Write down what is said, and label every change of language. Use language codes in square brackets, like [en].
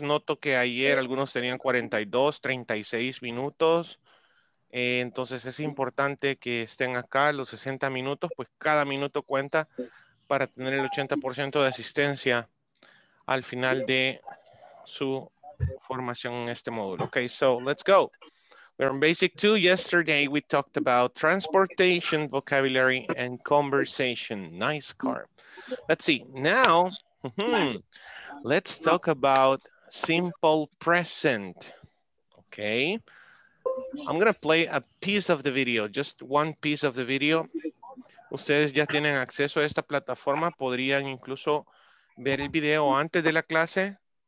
[es] Noto que ayer algunos tenían 42, 36 minutos. Entonces es importante que estén acá los 60 minutos, pues cada minuto cuenta para tener el 80% de asistencia al final de su formación en este módulo. [en] Okay, so let's go. We're on Basic 2. Yesterday we talked about transportation, vocabulary, and conversation. Nice car. Let's see. Now, let's talk about simple present. Okay. I'm going to play a piece of the video, just one piece of the video. [es] Ustedes ya tienen acceso a esta plataforma. Podrían incluso ver el video antes de la clase.